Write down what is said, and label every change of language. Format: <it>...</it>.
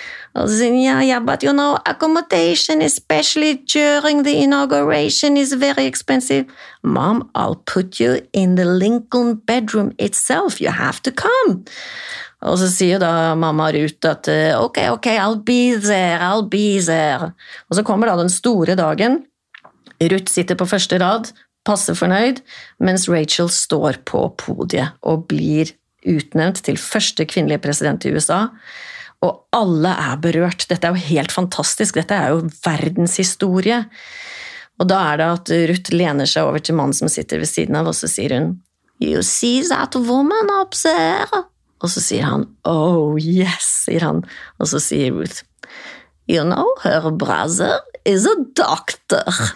<no>Og så sier han, ja,</no> <en>but you know, accommodation, especially during the inauguration, is very expensive. Mom, I'll put you in the Lincoln bedroom itself. You have to come.</en> <no>Og så sier da mamma Ruth at, ok,</no> <en>I'll be there, I'll be there.</en> <no>Og så kommer da den store dagen. Ruth sitter på første rad, passer fornøyd, mens Rachel står på podiet og blir utnevnt til første kvinnelige president I USA. Og alle berørt. Dette jo helt fantastisk. Dette jo verdenshistorie. Og da det at Ruth lener seg over til mannen som sitter ved siden av, og så sier hun,</no> <en>you see that woman up there?</en> <no>Og så sier han,</no> <en>oh yes,</en> <no>sier han. Og så sier Ruth,</no> <en>you know, her brother is a doctor.</en>